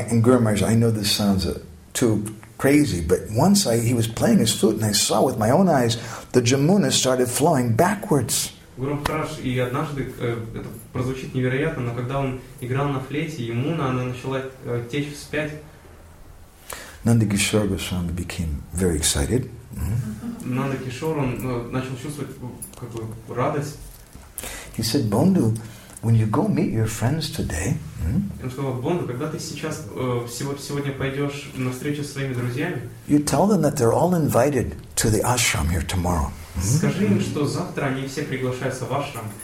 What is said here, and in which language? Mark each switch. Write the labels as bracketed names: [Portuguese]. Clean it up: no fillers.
[English] And Guru Maharaj, I know this sounds too crazy, but once he was playing his flute, and I saw with my own eyes the Jamuna started flowing backwards. [Russian] Гуру Махарадж, и однажды это прозвучит невероятно, но когда он играл на флейте, Ямуна, она начала течь вспять. [English] Nandakishore Goswami became very excited. [Russian] Nandakishore, он начал чувствовать какую радость. [English] He said, "Bondo, when you go meet your friends today." [Russian] Он сказал: "Бонду, когда ты сейчас сегодня пойдешь на встречу с своими друзьями?" [English] You tell them that they're all invited to the ashram here tomorrow. [Russian] Скажи им, что завтра они все приглашаются в ашрам.